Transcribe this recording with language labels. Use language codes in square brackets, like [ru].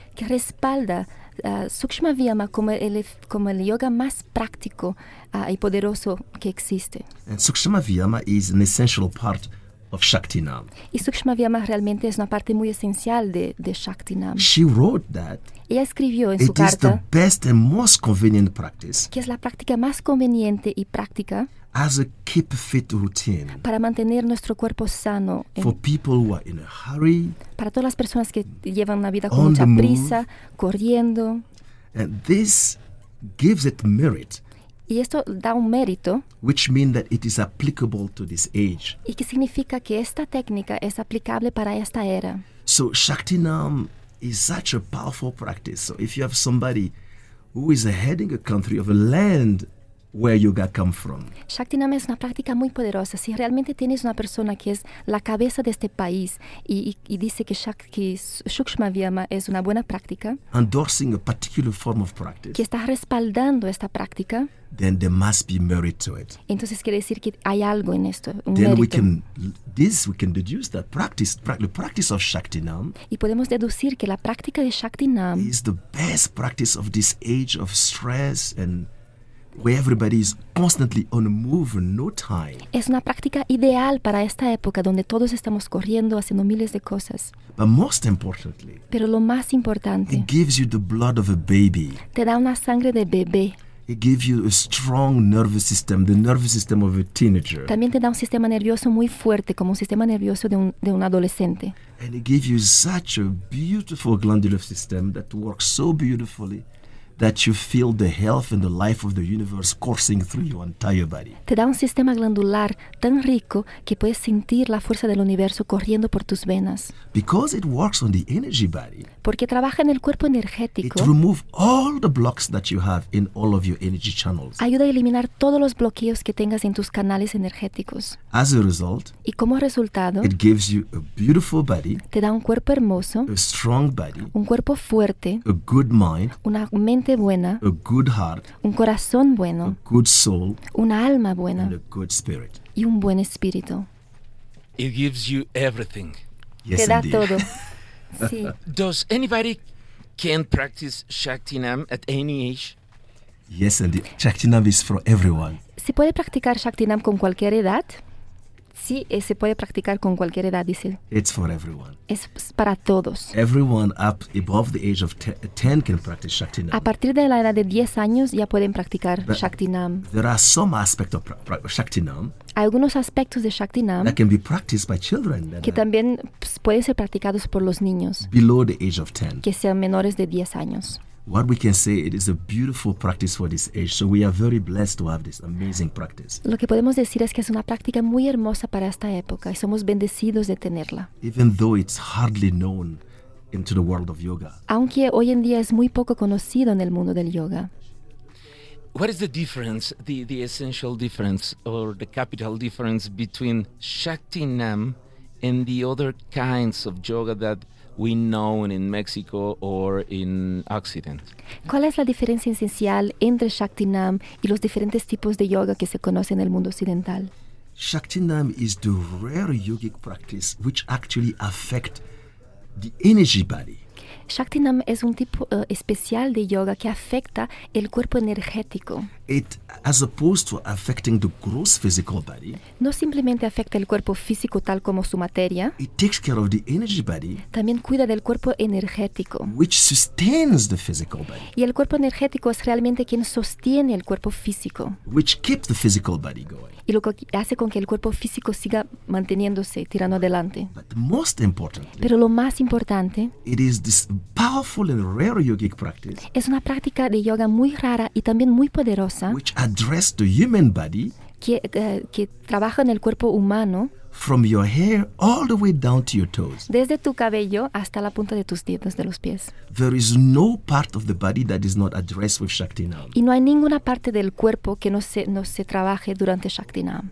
[es] Que respalda Sukshma Vyama como el yoga más práctico y poderoso que existe. [en] And Sukshma Vyama is an essential part of Shakti Nam. [es] Y Sukshma Vyama realmente es una parte muy esencial de Shakti Nam. [en] She wrote that. [es] Ella escribió en su carta. [en] It is the best and most convenient practice. [es] Que es la práctica más conveniente y práctica. [en] As a keep fit routine. [es] Para mantener nuestro cuerpo sano. [en] For people who are in a hurry. [es] Para todas las personas que llevan una vida con mucha prisa, [en] move, [es] corriendo. [en] And this gives it merit. [es] Y esto da un mérito. [en] Which means that it is applicable to this age. [es] Y que significa que esta técnica es aplicable para esta era. [en] So Shakti Nam is such a powerful practice. So if you have somebody who is heading a country of a land where yoga come from. [es] Shakti Nam es una práctica muy poderosa. Si realmente tienes una persona que es la cabeza de este país y dice que Sukshma Vyama es una buena práctica, [en] endorsing a particular form of practice, [es] que está respaldando esta práctica, [en] then there must be merit to it. [es] Entonces quiere decir que hay algo en esto, un [en] then [es] mérito. [en] We can deduce that the practice of Shakti Nam, [es] y podemos deducir que la práctica de Shakti Nam [en] is the best practice of this age of stress and where everybody is constantly on the move, no time. [es] Es una práctica ideal para esta época donde todos estamos corriendo, haciendo miles de cosas. [en] But most importantly, [es] pero lo más importante, [en] it gives you the blood of a baby. [es] Te da una sangre de bebé. [en] It gives you a strong nervous system, the nervous system of a teenager. [es] También te da un sistema nervioso muy fuerte, como un sistema nervioso de un adolescente. [en] And it gives you such a beautiful glandular system that works so beautifully that you feel the health and the life of the universe coursing through your entire body. [es] Te da un sistema glandular tan rico que puedes sentir la fuerza del universo corriendo por tus venas. [en] Because it works on the energy body. [es] Porque trabaja en el cuerpo energético. [en] It removes all the blocks that you have in all of your energy channels. [es] Ayuda a eliminar todos los bloqueos que tengas en tus canales energéticos. [en] As a result, [es] y como resultado, [en] it gives you a beautiful body. [es] Te da un cuerpo hermoso. [en] A strong body. [es] Un cuerpo fuerte. [en] A good mind. [es] Una mente buena, [en] a good heart, [es] un corazón bueno, [en] a good soul, [es] una alma buena, [en] and a good spirit, [es] y un buen espíritu. [en] It gives you everything. Yes, [es] te da [en] indeed. [es] Todo. Sí. [en] Does anybody can practice Shakti Nam at any age? Yes, indeed. Shakti Nam is for everyone. [es] ¿Se puede practicar Shakti Nam con cualquier edad? Sí, se puede practicar con cualquier edad, dice. [en] It's for everyone. [es] Es para todos. [en] Everyone up above the age of 10 can practice Shakti Nam. [es] A partir de la edad de 10 años ya pueden practicar [en] But [es] Shakti Nam. [en] There are some aspects of Shakti Nam. [es] Hay algunos aspectos de Shakti Nam [en] that can be practiced by children. [es] Que también pueden ser practicados por los niños. [en] Below the age of 10. [es] Que sean menores de 10 años. [en] What we can say, it is a beautiful practice for this age. So we are very blessed to have this amazing practice. [es] Lo que podemos decir es que es una práctica muy hermosa para esta época y somos bendecidos de tenerla. [en] Even though it's hardly known into the world of yoga. [es] Aunque hoy en día es muy poco conocido en el mundo del yoga. [en] What is the difference, the essential difference or the capital difference between Shakti Nam and the other kinds of yoga that we know in Mexico or in Occident? [es] ¿Cuál es la diferencia esencial entre Shakti Nam y los diferentes tipos de yoga que se conocen en el mundo occidental? [en] Shakti Nam is the rare yogic practice which actually affect the energy body. [es] Shakti Nam es un tipo especial de yoga que afecta el cuerpo energético. [en] It, as opposed to affecting the gross physical body, [es] no simplemente afecta el cuerpo físico tal como su materia, [en] it takes care of the energy body, [es] también cuida del cuerpo energético, [en] which sustains the physical body, [es] y el cuerpo energético es realmente quien sostiene el cuerpo físico, [en] which keeps the physical body going, [es] y lo que hace con que el cuerpo físico siga manteniéndose, tirando adelante. [en] But most importantly, [es] pero lo más importante, [en] it is this powerful and rare yogic practice, [es] es una práctica de yoga muy rara y también muy poderosa, [en] which address the human body, [es] que trabaja en el cuerpo humano, [en] from your hair all the way down to your toes. [es] Desde tu cabello hasta la punta de tus dedos de los pies. [en] There is no part of the body that is not addressed with Shakti Nam. [es] Y no hay ninguna parte del cuerpo que no se trabaje durante Shakti Nam.